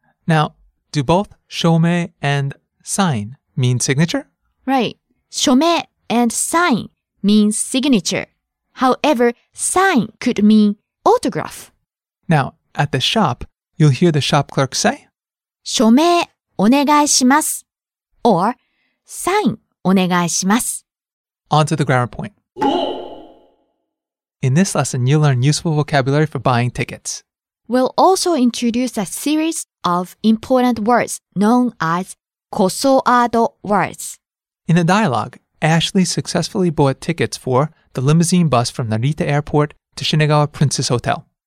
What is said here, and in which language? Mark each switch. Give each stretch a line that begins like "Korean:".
English: Now, do both 署名 and sign mean signature? Right. 署名 and sign means signature. However, sign could mean autograph. Now, at the shop, you'll hear the shop clerk say,
Japanese: 署名お願いします,
English: or
Japanese: サインお願いします.
English: On to the grammar point. In this lesson, you'll learn useful vocabulary for buying tickets. We'll also introduce a series of important words known as コソアド words. In the dialogue, Ashley successfully bought tickets for the limousine bus from Narita Airport to Shinagawa Princess Hotel.